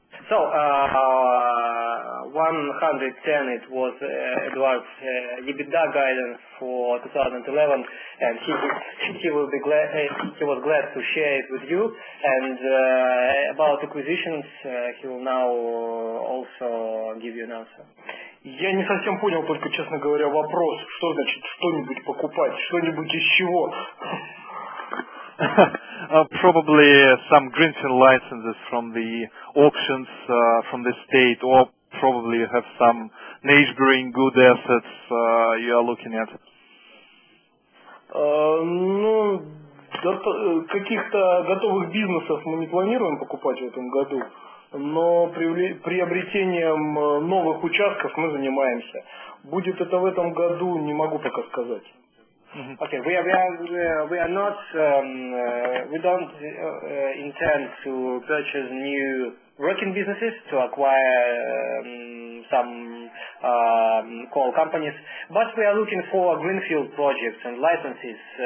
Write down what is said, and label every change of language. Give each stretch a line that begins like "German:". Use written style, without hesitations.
English: So, 110, it was Eduard's EBITDA guidance for 2011, and he was glad to share it with you. And about acquisitions, he will now also give you an answer.
Russian: Я не совсем понял, только, честно говоря, вопрос, что значит что-нибудь покупать, что-нибудь из чего?
English: Probably some greenfield licenses from the auctions from the state, or probably you have some neighboring good assets you are looking at.
Russian: Ну, каких-то готовых бизнесов мы не планируем покупать в этом году, но приобретением новых участков мы занимаемся. Будет это в этом году, не могу пока сказать. Mm-hmm.
English: Okay, we are not we don't intend to purchase new working businesses to acquire some coal companies, but we are looking for greenfield projects and licenses.